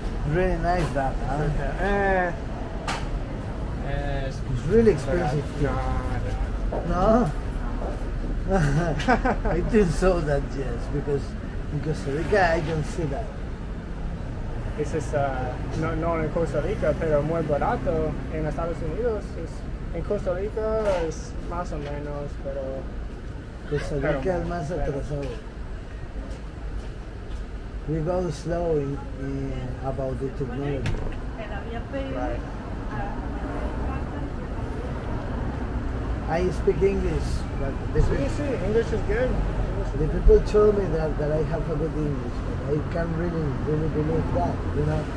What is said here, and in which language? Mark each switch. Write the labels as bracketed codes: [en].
[en] Really nice that, huh? It's really expensive. No? I didn't saw that yet because in Costa Rica I don't see that. This is no in Costa Rica, [es] pero muy barato en Estados Unidos. Es, en Costa Rica es más o menos, pero Costa Rica es más atrasado. [en] We go slow in about the technology. Right. I speak English, but English is good. The people told me that I have a good English, but I can't really believe that, you know.